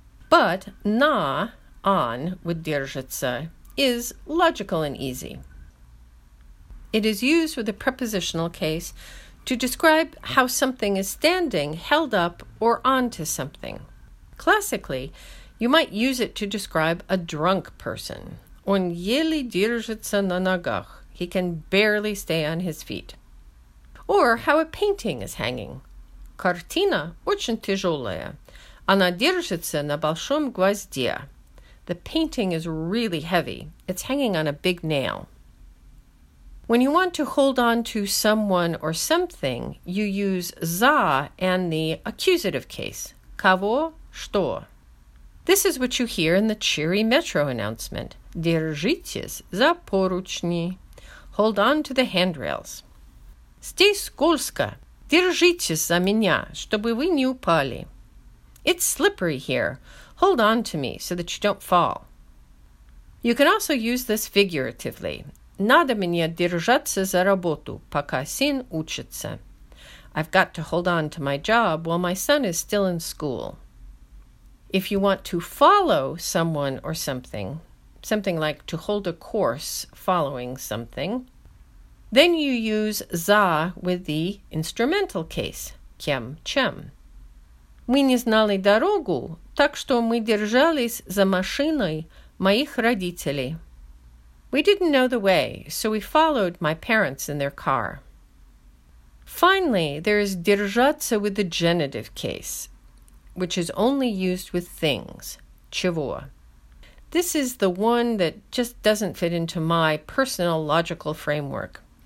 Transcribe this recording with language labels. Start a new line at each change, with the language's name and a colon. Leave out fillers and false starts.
English: But на, on, with держится, is logical and easy. It is used with a prepositional case to describe how something is standing, held up, or onto something. Classically, you might use it to describe a drunk person.
Russian: Он еле держится на ногах.
English: He can barely stay on his feet. Or how a painting is hanging.
Russian: Картина очень тяжелая. Она держится на большом гвозде.
English: The painting is really heavy. It's hanging on a big nail. When you want to hold on to someone or something, you use за and the accusative case.
Russian: Кого? Что?
English: This is what you hear in the cheery metro announcement.
Russian: Держитесь за поручни.
English: Hold on to the handrails.
Russian: Стой скользко. Держитесь за меня, чтобы вы не упали.
English: It's slippery here. Hold on to me so that you don't fall. You can also use this figuratively.
Russian: Надо мне держаться за работу, пока сын учится.
English: I've got to hold on to my job while my son is still in school. If you want to follow someone or something, something like to hold a course following something, then you use за with the instrumental case, кем, чем.
Russian: Мы не знали дорогу, так что мы держались за машиной моих родителей.
English: We didn't know the way, so we followed my parents in their car. Finally, there is держаться with the genitive case, which is only used with things, чего. This is the one that just doesn't fit into my personal logical framework.